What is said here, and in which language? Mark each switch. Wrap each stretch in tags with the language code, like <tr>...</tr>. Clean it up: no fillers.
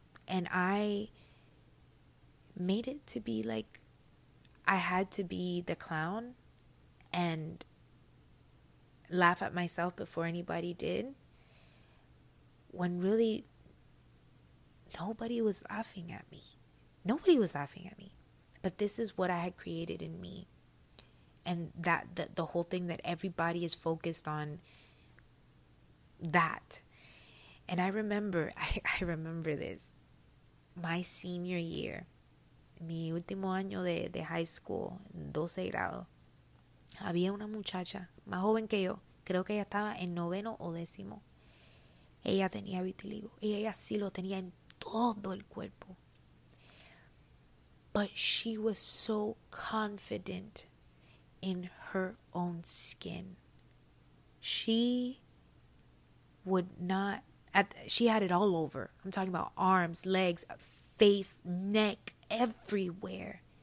<en>And I made it to be like, I had to be the clown and laugh at myself before anybody did, when really nobody was laughing at me. Nobody was laughing at me. But this is what I had created in me. And that the whole thing that everybody is focused on, that. And I remember, I, I remember this. My senior year,</en> <es>mi último año de high school, 12 grado, había una muchacha más joven que yo. Creo que ella estaba en noveno o décimo. Ella tenía vitiligo. Y ella sí lo tenía en todo el cuerpo.</es> <en>But she was so confident in her own skin. She would not. She had it all over. I'm talking about arms, legs, face, neck, everywhere.</en>